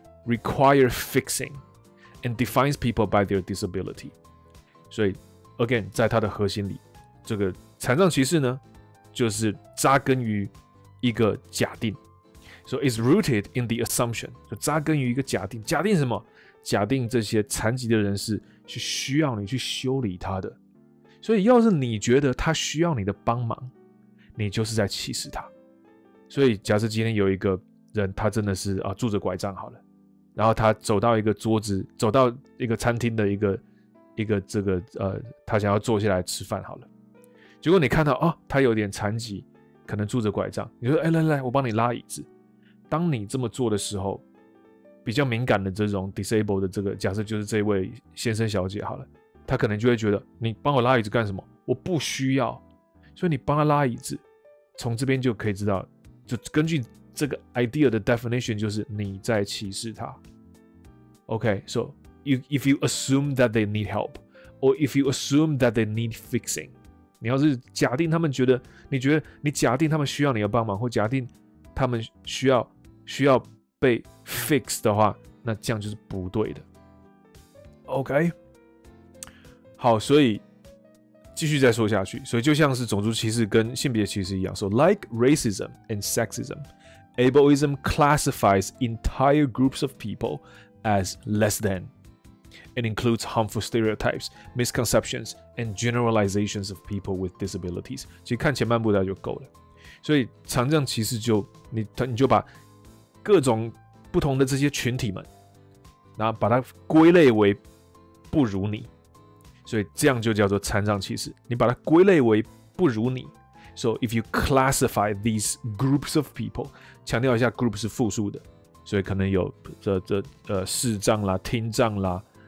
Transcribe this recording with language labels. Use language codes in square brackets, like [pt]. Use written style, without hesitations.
[en] require fixing and defines people by their disability。 [zh] 所以 again 在它的核心里，这个残障歧视呢就是扎根于一个假定。 [en] So it's rooted in the assumption， [zh] 就扎根于一个假定。假定什么？假定这些残疾的人士是需要你去修理他的，所以要是你觉得他需要你的帮忙你就是在歧视他。所以假设今天有一个人他真的是拄着拐杖好了，然后他走到一个桌子，走到一个餐厅的一个这个他想要坐下来吃饭好了。结果你看到他有点残疾，可能拄着拐杖，你说哎来来，我帮你拉椅子。当你这么做的时候，比较敏感的这种 disabled 的这个假设就是这位先生小姐好了，他可能就会觉得你帮我拉椅子干什么？我不需要。所以你帮他拉椅子，从这边就可以知道，就根据。这个 idea 的 definition 就是你在歧视他。 [en] OK， so if you assume that they need help， or if you assume that they need fixing， [zh] 你要是假定他们觉得，你觉得你假定他们需要你的帮忙，或假定他们需要被 fix 的话，那这样就是不对的。 OK， 好，所以继续再说下去。所以就像是种族歧视跟性别歧视一样 [en] ，so like racism and sexism, ableism classifies entire groups of people as less than. It includes harmful stereotypes, misconceptions, and generalizations of people with disabilities. [zh] 其实看前半部就够了。所以残障歧视就 你就把各种不同的这些群体们，然后把它归类为不如你。所以这样就叫做残障歧视。你把它归类为不如你。 [en] So if you classify these groups of people, [zh] 强调一下 group 是复数的，所以可能有视障啦、听障啦。